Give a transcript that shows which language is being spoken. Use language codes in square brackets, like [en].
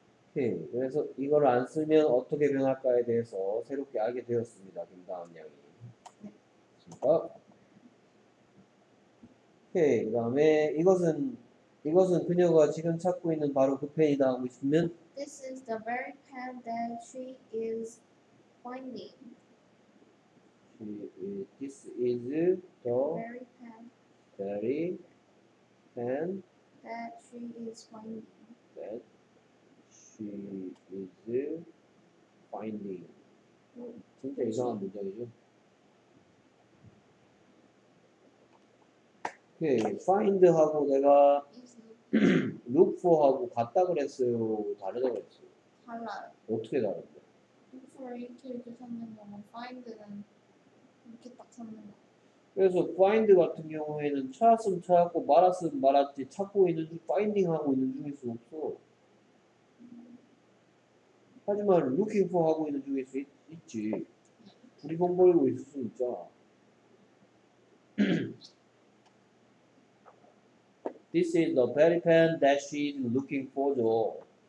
[ko] 오케이. 그래서 이걸 안 쓰면 어떻게 변할까에 대해서 새롭게 알게 되었습니다. 김다음 양이. 그러니까. 오케이. 그다음에 이것은 그녀가 지금 찾고 있는 바로 그 펜이다 하고 싶으면 [en] This is the very pen that she is finding. This is the very pen. Very pen. That she is finding. That she is finding. [ko] 진짜 이상한 문장이죠? find 하고 내가 look for 하고 같다 그랬어요? 다르다 그랬어요? 달라요. 어떻게 다른데? look for 이렇게 이렇게 찾는 거고 find는 이렇게 딱 찾는 거. 그래서 find 같은 경우에는 찾았으면 찾았고 말았으면 말았지 찾고 있는 중 finding 하고 있는 중일 수 없어. 하지만 looking for 하고 있는 중일 수 있지. 부리번거리고 있을 수 있잖아. [en] This is the very pen that she is looking for.